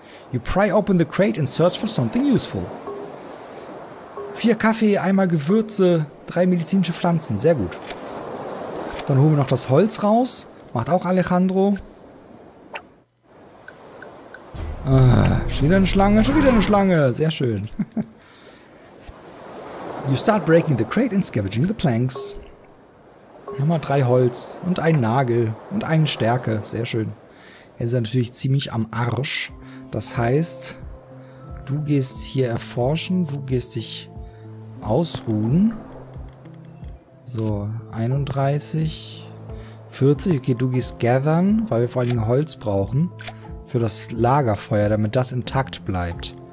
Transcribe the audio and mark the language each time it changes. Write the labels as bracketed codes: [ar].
[en] You pry open the crate and search for something useful. [de] 4 Kaffee, einmal Gewürze, 3 medizinische Pflanzen. Sehr gut. Dann holen wir noch das Holz raus. Macht auch Alejandro. Schon wieder eine Schlange, schon wieder eine Schlange. Sehr schön. [en] You start breaking the crate and scavenging the planks. [de] Nochmal 3 Holz und einen Nagel und eine Stärke. Sehr schön. Jetzt ist er natürlich ziemlich am Arsch. Das heißt, du gehst hier erforschen, du gehst dich ausruhen. So, 31, 40, okay, du gehst gathern, weil wir vor allen Dingen Holz brauchen für das Lagerfeuer, damit das intakt bleibt.